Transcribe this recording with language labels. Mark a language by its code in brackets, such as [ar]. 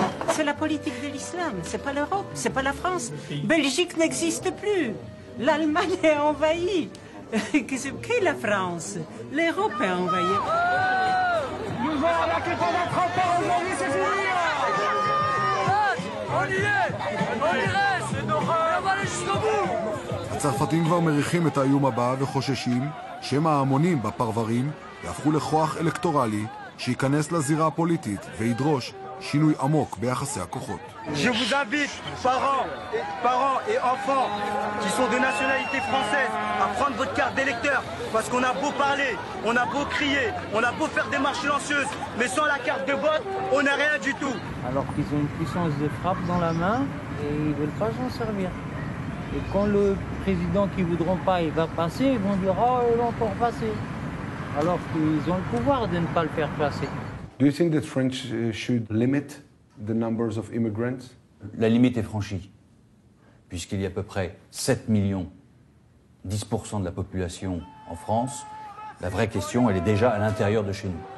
[fr] C'est la politique de l'islam, c'est pas l'Europe, c'est pas la France. Belgique n'existe plus, l'Allemagne est envahie. Qu'est-ce que la France? L'Europe est envahie. Nous voilà à la quête de 30 ans aujourd'hui, c'est fini. On y est, on y reste, on va aller jusqu'au bout. Les Tzarfatim [he] כבר מריחים את האיום הבא וחוששים שמא ההמונים בפרברים יהפכו לכוח אלקטורלי שייכנס לזירה הפוליטית וידרוש שינוי עמוק ביחסי הכוחות. [fr] Je vous invite, parents et enfants qui sont de nationalité française, à prendre votre carte d'électeur, parce qu'on a beau parler, on a beau crier, on a beau faire des marches silencieuses, mais sans la carte de vote, on n'a rien du tout. Alors qu'ils ont une puissance de frappe dans la main et ils ne veulent pas s'en servir. Et quand le président qu'ils ne voudront pas il va passer, ils vont dire « Oh, ils vont encore passer !» Alors qu'ils ont le pouvoir de ne pas le faire passer. [en] Do you think that French should limit the numbers of immigrants? [fr] La limite est franchie, puisqu'il y a à peu près 7 millions, 10% de la population en France. La vraie question, elle est déjà à l'intérieur de chez nous.